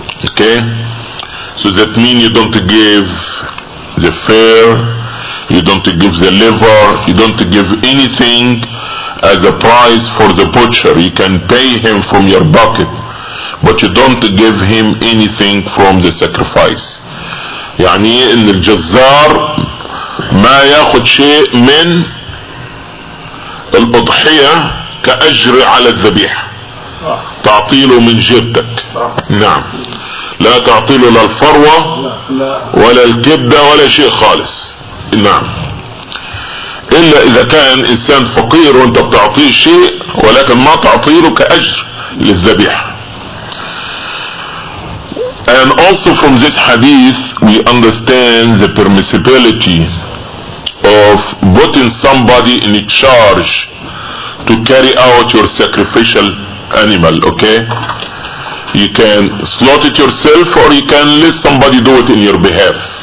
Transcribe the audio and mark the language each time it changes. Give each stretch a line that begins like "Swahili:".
English: Okay, so that means you don't give the fare, you don't give the liver, you don't give anything as a price for the butcher. You can pay him from your bucket, but you don't give him anything from the sacrifice.
Arabic: يعني ان الجزار ما ياخد شيء من الاضحية كأجر على الذبيحة، تعطيله من جبتك. نعم، لا تعطيله لا الفروة ولا الكبدة ولا شيء خالص. نعم، إلا إذا كان إنسان فقير وأنت بتعطيه شيء، ولكن ما تعطيله كأجر للذبيحة.
English: And also from this hadith we understand the permissibility of putting somebody in charge to carry out your sacrificial animal. Okay, you can slot it yourself, or you can let somebody do it in your behalf.